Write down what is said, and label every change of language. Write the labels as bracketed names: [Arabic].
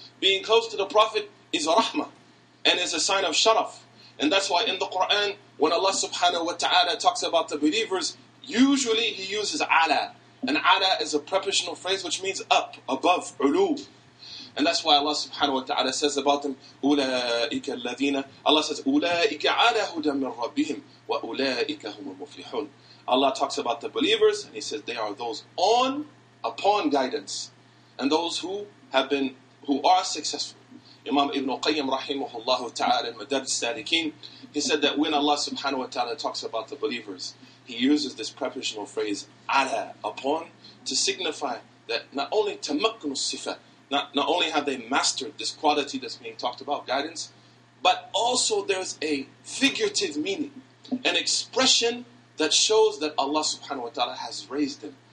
[English] Being close to the Prophet is a rahmah and is a sign of sharaf. And that's why in the Qur'an, when Allah subhanahu wa ta'ala talks about the believers, usually He uses ala. And ala is a prepositional phrase which means up, above, ulu. And that's why Allah subhanahu wa ta'ala says about them, [Arabic] أُولَٰئِكَ الَّذِينَ. Allah says, أُولَٰئِكَ عَلَىٰ هُدًى مِنْ رَبِّهِمْ وَأُولَٰئِكَ هُمُ الْمُفْلِحُونَ. [English] Allah talks about the believers, and He says they are those on, upon guidance, and those who have been, who are successful. Imam Ibn Qayyim rahimahullah ta'ala in Madad al-Salikin, he said that when Allah subhanahu wa ta'ala talks about the believers, He uses this prepositional phrase, ala, upon, to signify that not only [Arabic] tamakkunu sifa, [English] not only have they mastered this quality that's being talked about, guidance, but also there's a figurative meaning, an expression that shows that Allah subhanahu wa ta'ala has raised them.